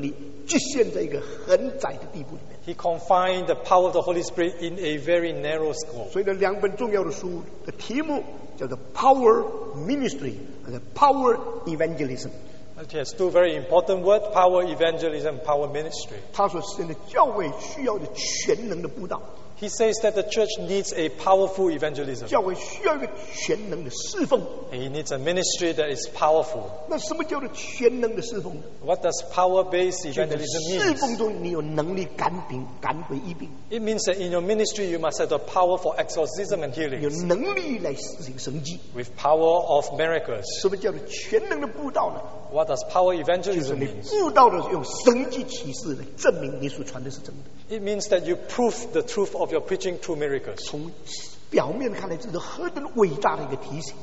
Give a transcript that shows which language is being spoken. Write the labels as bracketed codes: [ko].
[zh] 他就把这个上帝的圣灵的能力局限在一个很窄的地步里面。 [en] He confined the power of the Holy Spirit in a very narrow scope. [zh] 所以呢，两本重要的书的题目叫做 Power Ministry 和 Power Evangelism. [en] It has two very important words: Power Evangelism, Power Ministry. [zh] 他说，现在教会需要的全能的布道。 [en] He says that the church needs a powerful evangelism. [zh] 教会需要一个全能的侍奉。 [en] He needs a ministry that is powerful. [zh] 那什么叫做全能的侍奉？ [en] What does power-based evangelism mean? [zh] 侍奉中你有能力赶鬼医病。 [en] It means that in your ministry you must have the power for exorcism and healing. [zh] 有能力来施行神迹。 [en] With power of miracles. [zh] 什么叫做全能的布道呢？ [en] What does power evangelism mean? [zh] 就是你布道的用神迹启示来证明你所传的是真的。 [en] It means that you prove the truth of your preaching through miracles. [zh] 从表面看来，这是何等伟大的一个提醒！